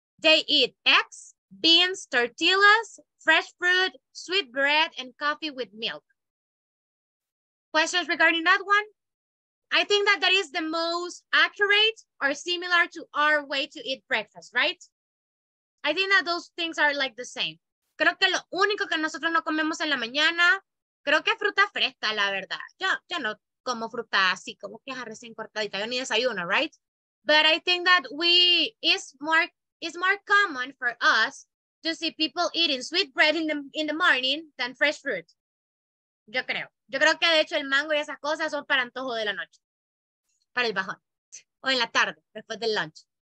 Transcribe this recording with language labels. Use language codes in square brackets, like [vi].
[en] They eat eggs, beans, tortillas, fresh fruit, sweet bread, and coffee with milk. Questions regarding that one? I think that is the most accurate or similar to our way to eat breakfast, right? I think that those things are like the same. [es] Creo que lo único que nosotros no comemos en la mañana, creo que es fruta fresca, la verdad. Yo no como fruta así, como que es recién cortadita, yo ni desayuno, [en] right? But I think that it's more common for us to see people eating sweet bread in the morning than fresh fruit. [es] Yo creo que de hecho el mango y esas cosas son para antojo de la noche, para el bajón, o en la tarde, después del lunch.